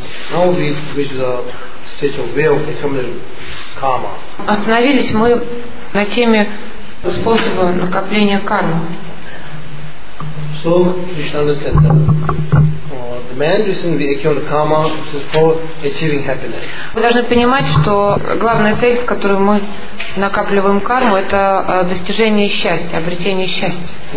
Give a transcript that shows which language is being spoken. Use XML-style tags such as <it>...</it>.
<en>Now we reach the stage of way of becoming karma.</en> <ru>Остановились мы на теме способа накопления кармы.</ru> <en>So you should understand that. The main reason we acquire karma is for achieving happiness.</en> <ru>Вы должны понимать, что главная цель, с которой мы накапливаем карму, это достижение счастья, обретение счастья.</ru>